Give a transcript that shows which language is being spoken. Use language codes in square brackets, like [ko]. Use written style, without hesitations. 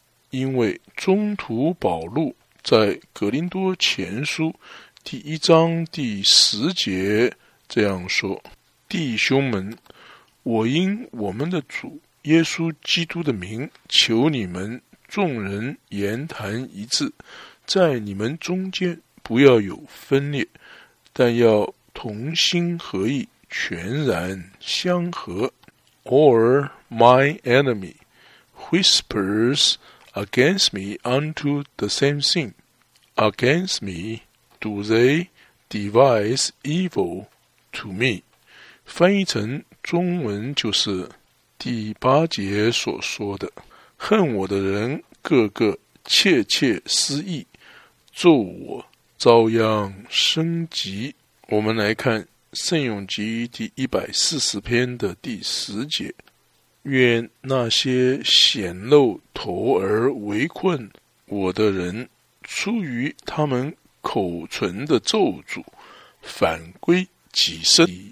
[zh] 因为中途保禄在格林多前书第一章第十节这样说，弟兄们，我因我们的主耶稣基督的名，求你们众人言谈一致，在你们中间不要有分裂，但要同心合意，全然相合。 [en] Or my enemy whispers against me unto the same thing. Against me do they devise evil to me. [zh] 翻译成中文就是第八节所说的，恨我的人个个窃窃私议，咒我遭殃生疾。我们来看圣咏集第140篇的第十节，愿那些显露头而围困我的人，出于他们口唇的咒诅，反归己身。